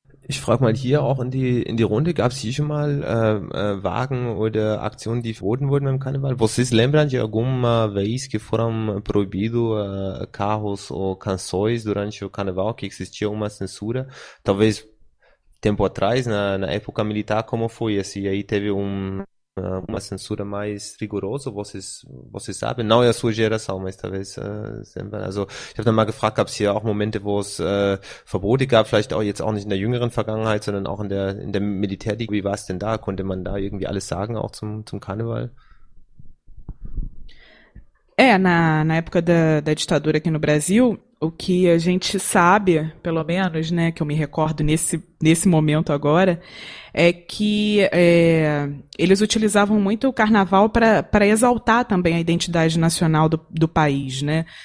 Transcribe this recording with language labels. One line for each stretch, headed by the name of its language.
German: Ich frage mal hier auch in die Runde, gab es hier schon mal Wagen oder Aktionen, die verboten wurden beim Karneval?
Portuguese: Vocês lembram de alguma vez que foram proibido carros ou canções durante o Carnaval, que existia uma censura? Talvez tempo atrás, na época militar, como foi? Assim, aí teve uma censura mais rigorosa, vocês sabem? Não é a sua geração, mas talvez sempre.
German: Also, ich habe nochmal gefragt, gab es hier auch Momente, wo es Verbote gab, vielleicht auch jetzt auch nicht in der jüngeren Vergangenheit, sondern auch in der Militärdienst. Wie war es denn da? Konnte man da irgendwie alles sagen, auch zum Karneval?
Portuguese: É, na época da ditadura aqui no Brasil, o que a gente sabe, pelo menos, né, que eu me recordo nesse momento agora, é que eles utilizavam muito o carnaval para exaltar também a identidade nacional do país, né?